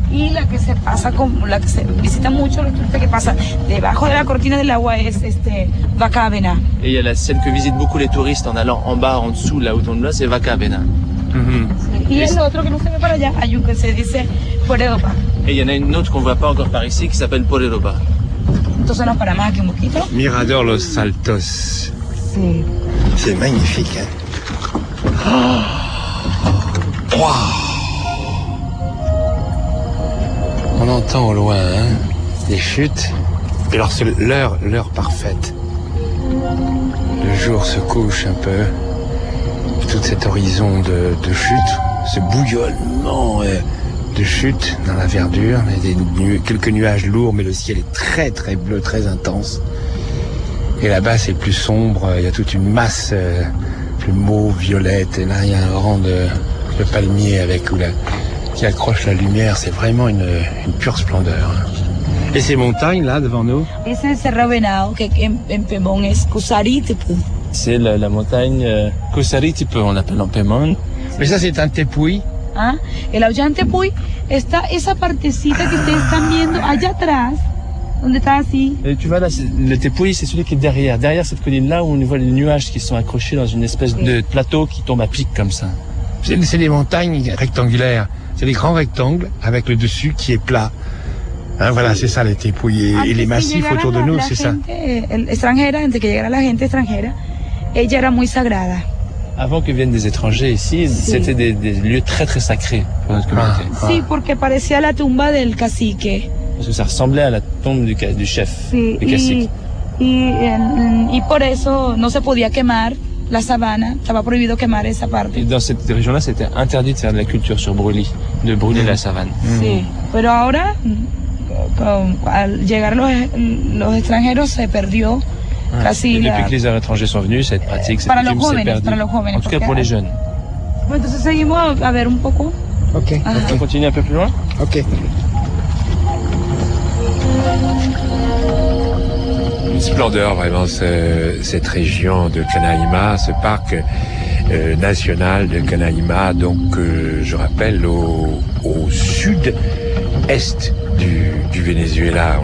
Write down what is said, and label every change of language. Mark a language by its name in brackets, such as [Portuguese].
[Spanish] Y la que se pasa con la que se visita mucho, la turista que pasa debajo de la cortina del agua es Vacavena. [French] Et il y a celle que visitent beaucoup les touristes en allant en bas en dessous là où on est, c'est Vacavena. [Spanish] Y el otro que no se ve para allá, hay un que se dice Poreroba. [French] Et il y en a une autre qu'on voit pas encore par ici qui s'appelle Poreroba. Mirador Los Saltos. Sí. C'est magnifique. Hein? Oh! Wow! On entend au loin, hein, les chutes. Et alors c'est l'heure parfaite. Le jour se couche un peu. Tout cet horizon de chutes, ce bouillonnement. Hein? De chute dans la verdure, quelques nuages lourds, mais le ciel est très très bleu, très intense. Et là-bas, c'est plus sombre, il y a toute une masse plus mauve, violette. Et là, il y a un rang de palmiers qui accroche la lumière. C'est vraiment une pure splendeur. Et ces montagnes là devant nous? Et c'est le Cerro Venado, qui est en Pemón, c'est Cusaritipu. C'est la montagne Cusaritipu, on l'appelle en Pemón. Mais ça, c'est un tepuy. [Spanish] Ah, el Ollantepuy está esa partecita que ustedes están viendo allá atrás, donde está así. [French] Et tu vois là, le Tepuy, c'est celui qui est derrière cette colline là où on voit les nuages qui sont accrochés dans une espèce de plateau qui tombe à pic comme ça. C'est des montagnes rectangulaires, c'est des grands rectangles avec le dessus qui est plat. Hein, voilà, c'est ça le Tepuy et les massifs autour de nous, c'est ça. [Spanish] Antes que llegara la gente extranjera, ella era muy sagrada. [French] Avant que viennent des étrangers ici, c'était des lieux très très sacrés pour notre communauté. [Spanish] Sí, porque parecía la tumba del cacique. [French] Parce que ça ressemblait à la tombe du chef, du cacique. [Spanish] Y por eso no se podía quemar la sabana, estaba prohibido quemar esa parte. [French] Et dans cette région-là, c'était interdit de faire de la culture sur brûlis, de brûler la savane. [Spanish] Sí, pero ahora al llegar los extranjeros se perdió. Casi [French] depuis que les étrangers sont venus, cette pratique, cette pratique s'est perdue. [Spanish] Para los jóvenes, [French] en tout cas pour les jeunes. [Spanish] Bueno, entonces seguimos a ver un poco. Ok. [French] Donc, on continue un peu plus loin. Ok. Une splendeur vraiment cette région de Canaima, ce parc national de Canaima, donc je rappelle au sud-est du Venezuela.